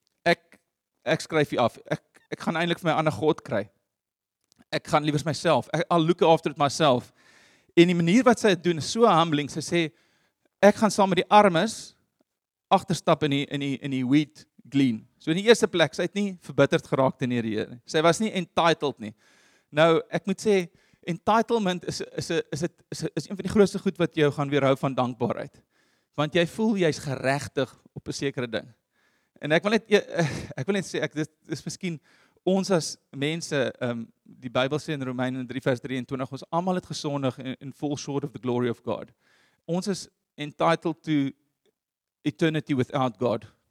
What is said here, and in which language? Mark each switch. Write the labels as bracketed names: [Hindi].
[Afrikaans] Ek skryf U af. Ek gaan eintlik vir my ander God kry. Ek gaan liewers myself. [English] I'll look after it myself. [Afrikaans] En die manier wat sy dit doen is so humbling. Sy sê ek gaan saam met die armes agterstap in die [English] wheat glean. [Afrikaans] So in die eerste plek, sy het nie verbitterd geraak teen die Here. Sy was nie entitled nie. Nou, ek moet sê, entitlement is een van die grootste goed wat jou gaan weerhou van dankbaarheid. Want jy voel jy's geregtig op 'n sekere ding. En ek wil net sê, dit is miskien ons as mense, die Bybel sê in Romeine 3 vers 23, ons allemaal het gesondig en [English] fall short of the glory of God. [Afrikaans] Ons is entitled to eternity without God.